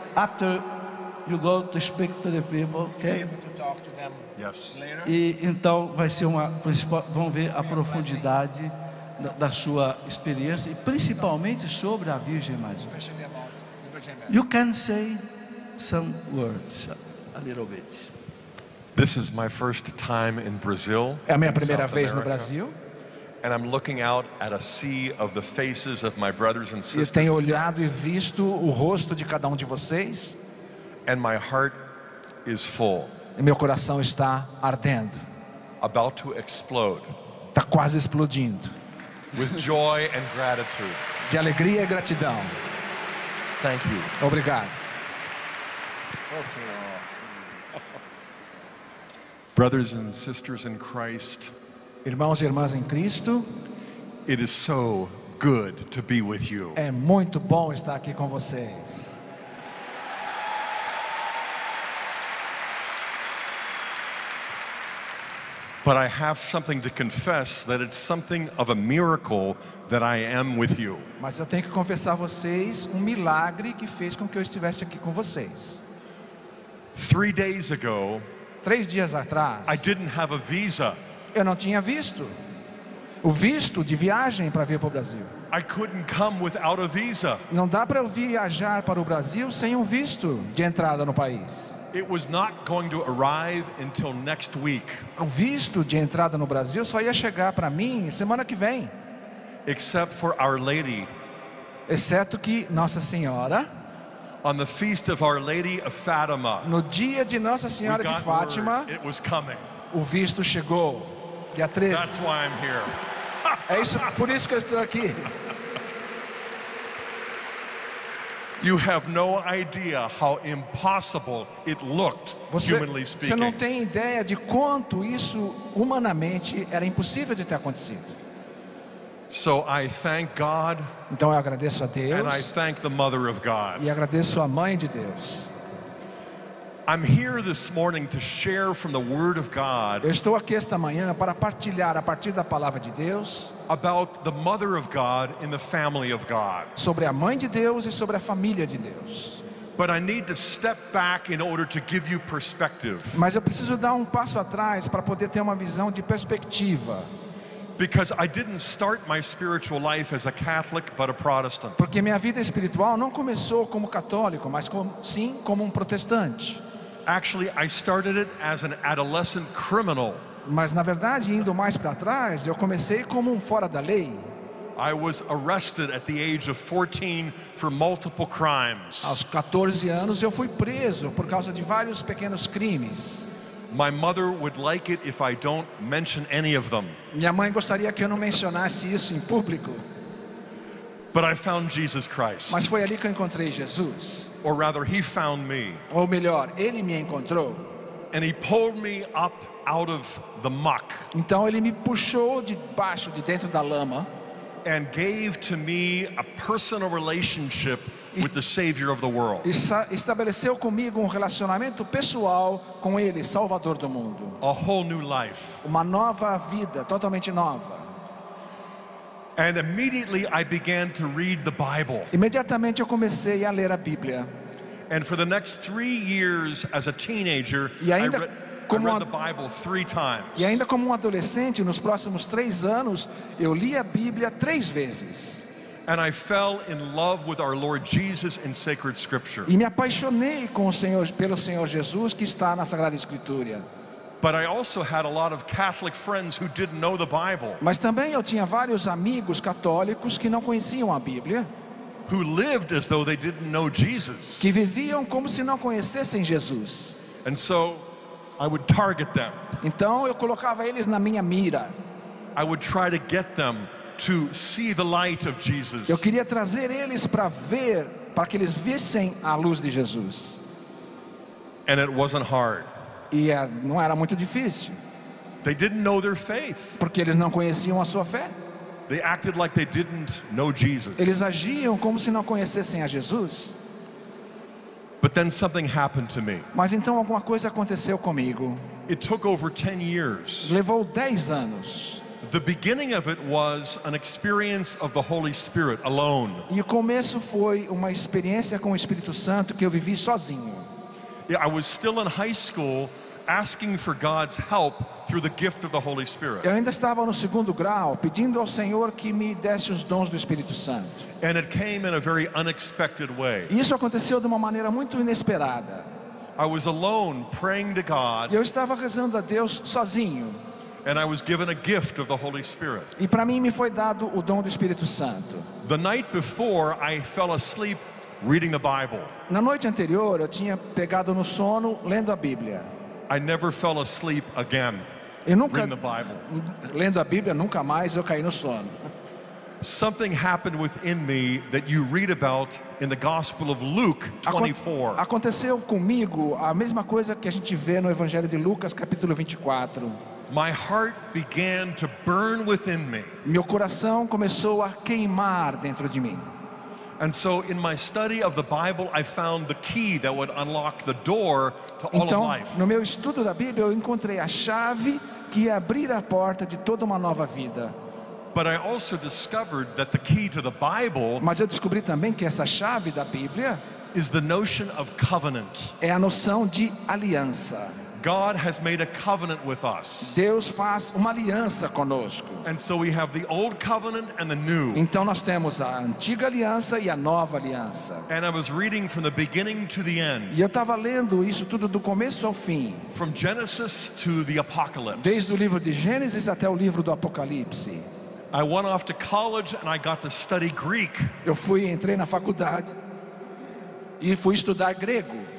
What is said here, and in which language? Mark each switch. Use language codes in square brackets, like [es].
[en] After you go to speak to the people, okay? Yes. [pt] E então vai ser uma, vocês vão ver a profundidade da sua experiência, e principalmente sobre a Virgem Maria. [en] You can say some words, a little bit. This is my first time in Brazil. [pt] É a minha primeira vez no Brasil. [en] And I'm looking out at a sea of the faces of my brothers and sisters. [pt] E tenho olhado e visto o rosto de cada de vocês. [en] And my heart is full. [pt] E meu coração está ardendo. [en] About to explode. [pt] Tá quase explodindo. [en] With joy and gratitude. [pt] De alegria e gratidão. [en] Thank you. [pt] Obrigado. [en] Brothers and sisters in Christ. [pt] Irmãos e irmãs em Cristo. [en] It is so good to be with you. [pt] É muito bom estar aqui com vocês. [en] But I have something to confess, that it's something of a miracle that I am with you. [pt] Mas eu tenho que confessar a vocês um milagre que fez com que eu estivesse aqui com vocês. [en] 3 days ago, [pt] 3 dias atrás, [en] I didn't have a visa. [pt] Eu não tinha visto. O visto de viagem para vir para o Brasil. [en] I couldn't come without a visa. [pt] Não dá para eu viajar para o Brasil sem um visto de entrada no país. [en] It was not going to arrive until next week. [pt] O visto de entrada no Brasil só ia chegar para mim semana que vem. [en] Except for Our Lady. [pt] Exceto que Nossa Senhora. [en] On the feast of Our Lady of Fatima. [pt] No dia de Nossa Senhora de Fátima. [en] It was coming. [pt] O visto chegou. Dia 13. [en] That's why I'm here. [pt] É isso, por isso que eu estou aqui. [en] You have no idea how impossible it looked, humanly speaking. [pt] Você não tem ideia de quanto isso humanamente era impossível de ter acontecido. [en] So I thank God. [pt] Então eu agradeço a Deus. [en] And I thank the Mother of God. [pt] E agradeço a Mãe de Deus. [en] I'm here this morning to share from the Word of God. [pt] Eu estou aqui esta manhã para partilhar a partir da palavra de Deus [en] about the mother of God in the family of God. [pt] Sobre a mãe de Deus e sobre a família de Deus. [en] But I need to step back in order to give you perspective. [pt] Mas eu preciso dar um passo atrás para poder ter uma visão de perspectiva. [en] Because I didn't start my spiritual life as a Catholic, but a Protestant. [pt] Porque minha vida espiritual não começou como católico, mas sim como um protestante. [en] Actually, I started it as an adolescent criminal. [pt] Mas na verdade, indo mais para trás, eu comecei como um fora da lei. [en] I was arrested at the age of 14 for multiple crimes. [pt] Aos 14 anos, eu fui preso por causa de vários pequenos crimes. [en] My mother would like it if I don't mention any of them. [pt] Minha mãe gostaria que eu não mencionasse isso em público. [en] But I found Jesus Christ. [pt] Mas foi ali que eu encontrei Jesus. [en] Or rather, he found me. [pt] Ou melhor, ele me encontrou. [en] And he pulled me up out of the muck. [pt] Então ele me puxou de baixo, de dentro da lama. [en] And gave to me a personal relationship with the Savior of the world. [pt] Estabeleceu comigo um relacionamento pessoal com ele, Salvador do mundo. [en] A whole new life. [pt] Uma nova vida, totalmente nova. [en] And immediately I began to read the Bible. [pt] Imediatamente eu comecei a ler a Bíblia. [en] And for the next 3 years as a teenager, I read the Bible 3 times. [pt] E ainda como um adolescente, nos próximos 3 anos, eu li a Bíblia 3 vezes. [en] And I fell in love with our Lord Jesus in sacred scripture. [pt] E me apaixonei com o Senhor, pelo Senhor Jesus que está na Sagrada Escritura. [en] But I also had a lot of Catholic friends who didn't know the Bible. [pt] Mas também eu tinha vários amigos católicos que não conheciam a Bíblia. [en] Who lived as though they didn't know Jesus. [pt] Que viviam como se não conhecessem Jesus. [en] And so I would target them. [pt] Então eu colocava eles na minha mira. [en] I would try to get them to see the light of Jesus. [pt] Eu queria trazer eles para ver, para que eles vissem a luz de Jesus. [en] And it wasn't hard. [pt] E não era muito difícil. [en] They didn't know their faith. [pt] Porque eles não conheciam a sua fé. [en] They acted like they didn't know Jesus. [pt] Eles agiam como se não conhecessem a Jesus. [en] But then something happened to me. [pt] Mas então alguma coisa aconteceu comigo. [en] It took over 10 years. [pt] Levou 10 anos. [en] The beginning of it was an experience of the Holy Spirit alone. [pt] E o começo foi uma experiência com o Espírito Santo que eu vivi sozinho. [en] Yeah, I was still in high school asking for God's help through the gift of the Holy Spirit. [pt] Eu ainda estava no segundo grau pedindo ao Senhor que me desse os dons do Espírito Santo. [en] And it came in a very unexpected way. [pt] E isso aconteceu de uma maneira muito inesperada. [en] I was alone praying to God. [pt] Eu estava rezando a Deus sozinho. [en] And I was given a gift of the Holy Spirit. [pt] E para mim me foi dado o dom do Espírito Santo. [en] The night before, I fell asleep reading the Bible. [pt] Na noite anterior, eu tinha pegado no sono lendo a Bíblia. [en] I never fell asleep again. [pt] Eu nunca [en] reading the Bible. [pt] Lendo a Bíblia nunca mais eu caí no sono. [en] Something happened within me that you read about in the Gospel of Luke 24. [pt] Aconteceu comigo a mesma coisa que a gente vê no Evangelho de Lucas capítulo 24. [en] My heart began to burn within me. [pt] Meu coração começou a queimar dentro de mim. [en] And so in my study of the Bible I found the key that would unlock the door to all [pt] então, [en] of life. [pt] No meu estudo da Bíblia eu encontrei a chave que ia abrir a porta de toda uma nova vida. [en] But I also discovered that the key to the Bible, [pt] mas eu descobri também que essa chave da Bíblia, [en] is the notion of covenant. [pt] É a noção de aliança. [en] God has made a covenant with us. [pt] Deus faz uma aliança conosco. [en] And so we have the old covenant and the new. [pt] Então nós temos a antiga aliança e a nova aliança. [en] And I was reading from the beginning to the end. [pt] E eu estava lendo isso tudo do começo ao fim. [en] From Genesis to the Apocalypse. [pt] Desde o livro de Gênesis até o livro do Apocalipse. [en] I went off to college and I got to study Greek. [pt] Eu fui, entrei na faculdade e fui estudar grego.